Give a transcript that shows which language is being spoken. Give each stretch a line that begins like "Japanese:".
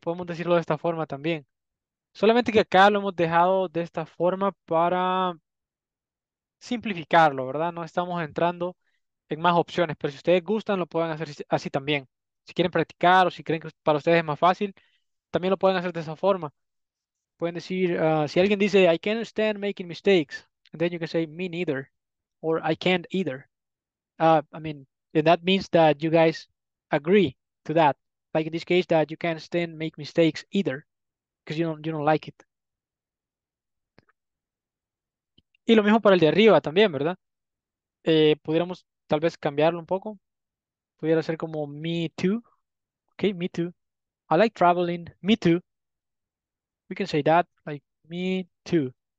Spanish: Podemos decirlo de esta forma también. Solamente que acá lo hemos dejado de esta forma para simplificarlo, ¿verdad? No estamos entrando en más opciones, pero si ustedes gustan, lo pueden hacer así también. Si quieren practicar o si creen que para ustedes es más fácil, también lo pueden hacer de esa forma. Pueden decir, si alguien dice,
English: I can't stand making mistakes, and then you can say, me neither, or I can't either. I mean, and that means that you guys agree to that. Like in this case, that you can't stand make mistakes either, because you don't like it.
Spanish: Y lo mismo para el de arriba también, ¿verdad? Pudiéramos tal vez cambiarlo un poco. Pudiera ser como,
English: me too. Okay, me too. I like traveling, me too. We can say that, like, me too.